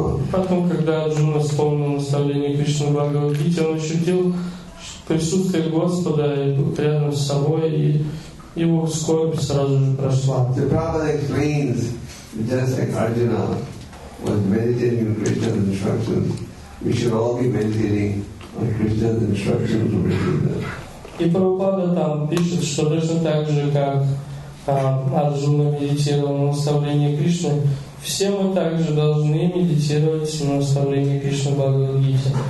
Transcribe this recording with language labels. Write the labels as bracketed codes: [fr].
[ru] Потом, когда Арджуна вспомнил наставление Кришны Бхагавадгиты, он ощутил присутствие Господа рядом с собой, и его скорбь сразу же прошла. [en] The Prabhupada explains, just like Arjuna was meditating on Krishna's instructions, we should all be meditating on Krishna's instructions. [ru] И Прабхупада там пишет, что точно так же, как Арджуна медитировал на наставление Кришны, все мы также должны медитировать на наставление Кришны Бхагавадгиты.